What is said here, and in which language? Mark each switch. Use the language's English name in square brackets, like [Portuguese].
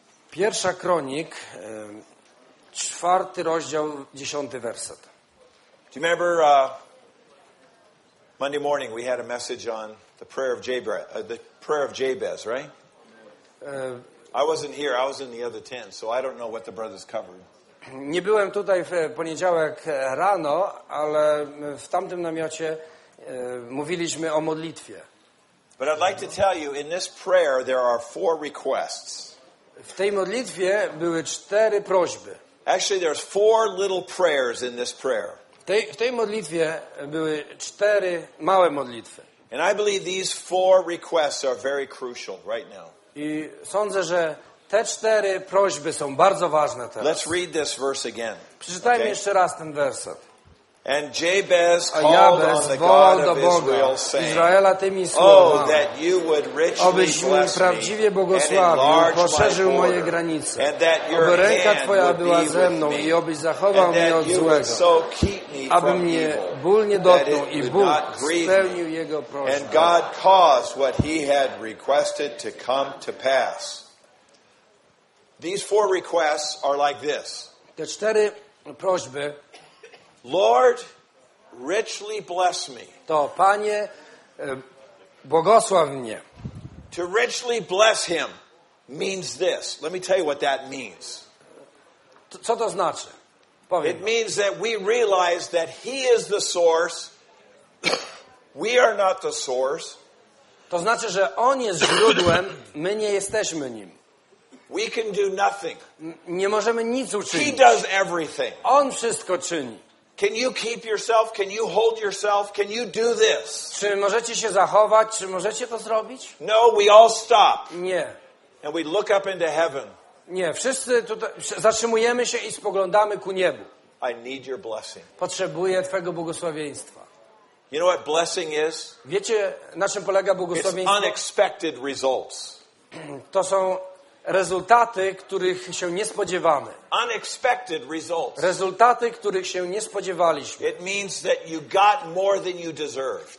[Polish] Pierwsza Kronik, czwarty rozdział, dziesiąty werset. [English] Do you remember Monday morning we had a message on the prayer of Jabez, right? I wasn't here, I was in the other tent, so I don't know what the brothers covered. [Polish] Nie byłem tutaj w poniedziałek rano, ale w tamtym namiocie mówiliśmy o modlitwie. [English] But I'd like to tell you, in this prayer, there are four requests. [Polish] W tej modlitwie były cztery prośby. [English] Actually, there's four little prayers in this prayer. [Polish] W tej modlitwie były cztery małe modlitwy. [English] And I believe these four requests are very crucial right now. [Polish] I sądzę, że te cztery prośby są bardzo ważne teraz. [English] Let's read this verse again. [Polish] Przeczytajmy jeszcze raz ten werset. [English] And Jabez called on the God of Israel, saying, Oh, that you would richly bless me and enlarge my border, and that your hand would be with me, and that you would so keep me from evil, that it would not grieve me. And God caused what he had requested to come to pass. These four requests are like this. [Polish] Te cztery prośby. [English] Lord, richly bless me. [Polish] To Panie, błogosław mnie. [English] To richly bless him means this. Let me tell you what that means. [Polish] Co to znaczy? [English] It means that we realize that he is the source. We are not the source. [Polish] To znaczy, że on jest źródłem, my nie jesteśmy nim. [English] We can do nothing. [Polish] Nie możemy nic uczynić. [English] He does everything. [Polish] On wszystko czyni. [English] Can you keep yourself? Can you hold yourself? Can you do this? [Polish] Czy możecie się zachować? Czy możecie to zrobić? [English] No, we all stop. [Polish] Nie. [English] And we look up into heaven. [Polish] Nie, wszyscy tutaj zatrzymujemy się i spoglądamy ku niebu. [English] I need your blessing. [Polish] Potrzebuję twojego błogosławieństwa. [English] You know what blessing is? [Polish] Wiecie, na czym polega błogosławieństwo? [English] It's unexpected results. [Polish] To są rezultaty, których się nie spodziewamy. [English] Unexpected results. [Polish] Rezultaty, których się nie spodziewaliśmy. [English] It means that you got more than you deserved.